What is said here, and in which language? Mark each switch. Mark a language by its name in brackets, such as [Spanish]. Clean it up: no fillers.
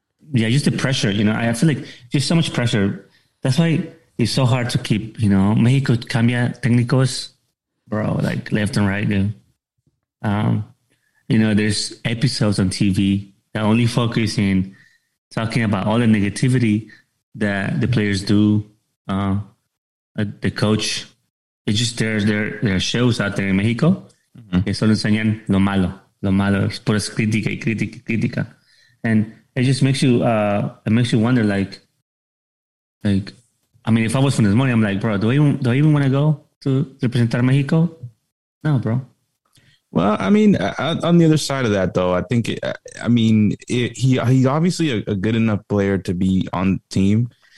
[English] Yeah, just the pressure, you know. I feel like just so much pressure. That's why it's so hard to keep, you know, Mexico [Spanish] cambia técnicos, [English] bro, like left and right, dude. You know, there's episodes on TV that only focus in talking about all the negativity that the players do, the coach. It's just there are shows out there in Mexico. Mm-hmm. [Spanish] Que solo enseñan lo malo, es pura crítica y crítica y crítica. [English] And it just makes you, wonder, like, I mean, if I was from this morning, I'm like, bro, do I even want to go to [Spanish] representar [English] Mexico? No, bro. Well, I mean, on the other side of that, though, I think, he's obviously a good enough player to be on the team.